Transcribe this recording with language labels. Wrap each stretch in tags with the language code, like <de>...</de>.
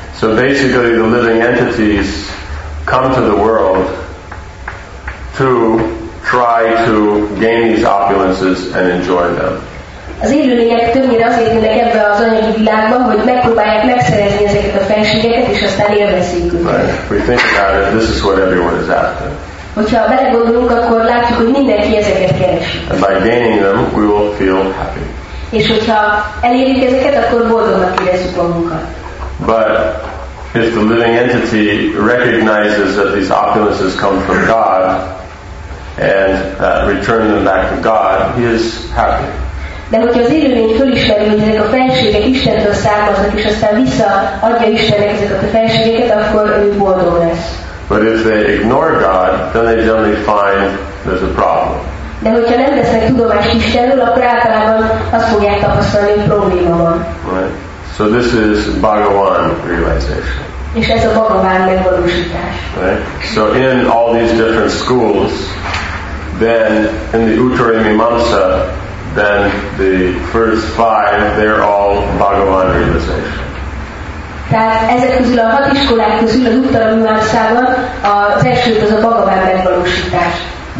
<en>So basically the living entities come to the world to try to gain these opulences and enjoy them.</en> <hu>Az élőlények többnyire azért jönnek ebbe az anyagi világban, hogy megpróbálják megszerezni ezeket a felségeket, és aztán élvezzék őket.</hu> <en>Right. We think about it, this is what everyone is after.</en> <hu>Hogyha belegondolunk, akkor látjuk, hogy mindenki ezeket keresi.</hu> <en>And by gaining them, we will feel happy.</en> <hu>És hogyha elérjük ezeket, akkor boldognak érezzük magunkat.</hu> <en>But if the living entity recognizes that these opulences come from God and return them back to God, he is happy.</en> <hu>De hogyha az élőlény fölismeri, hogy ezek a felségek Istentől származnak, és aztán visszaadja Istennek ezeket a felségeket, akkor ő boldog lesz.</hu> <en>But if they ignore God, then they generally find there's a problem.</en> <hu>De hogyha nem vesznek tudomást Istenről, akkor általában azt fogják tapasztalni, hogy probléma van.</hu> <en>Right. So this is Bhagavan realization.</en> <hu>És ez a Bhagavan megvalósítás.</hu> <en>So in all these different schools, then in the Uttara Mimamsa, then the first five, they're all Bhagavan realization.</en> <hu>Tehát ezek közül a hat iskolák közül az Uttara Mimamsában az első az a Bhagavan megvalósítás.</hu>